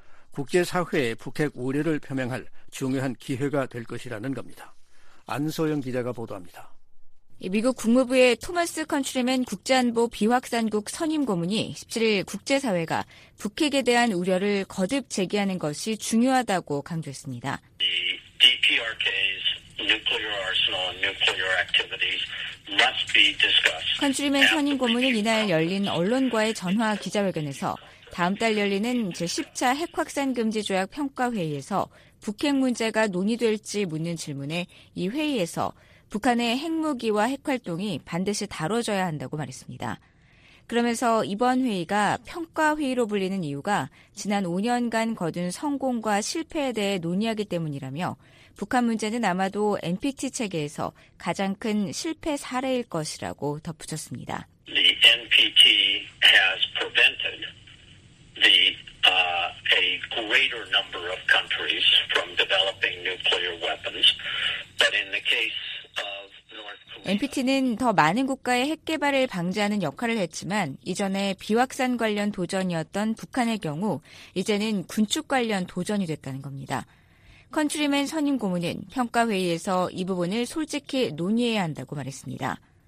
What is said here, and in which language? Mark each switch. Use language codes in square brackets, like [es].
[ko] 국제사회의 북핵 우려를 표명할 중요한 기회가 될 것이라는 겁니다. 안소영 기자가 보도합니다. 미국 국무부의 토마스 컨트리맨 국제안보 비확산국 선임 고문이 17일 국제사회가 북핵에 대한 우려를 거듭 제기하는 것이 중요하다고 강조했습니다. [en] DPRK's nuclear arsenal and nuclear activities must be discussed. [ko] 컨트리맨 선임 고문은 이날 열린 언론과의 전화 기자회견에서 다음 달 열리는 제10차 핵확산 금지 조약 평가회의에서 북핵 문제가 논의될지 묻는 질문에 이 회의에서 북한의 핵무기와 핵활동이 반드시 다뤄져야 한다고 말했습니다. 그러면서 이번 회의가 평가회의로 불리는 이유가 지난 5년간 거둔 성공과 실패에 대해 논의하기 때문이라며 북한 문제는 아마도 NPT 체계에서 가장 큰 실패 사례일 것이라고 덧붙였습니다. [en] The NPT has prevented a greater number of countries from developing nuclear weapons, but in the case of North Korea, [ko] NPT는 더 많은 국가의 핵 개발을 방지하는 역할을 했지만 이전에 비확산 관련 도전이었던 북한의 경우 이제는 군축 관련 도전이 됐다는 겁니다. 컨트리맨 선임 고문은 평가 회의에서 이 부분을 솔직히 논의해야 한다고 말했습니다.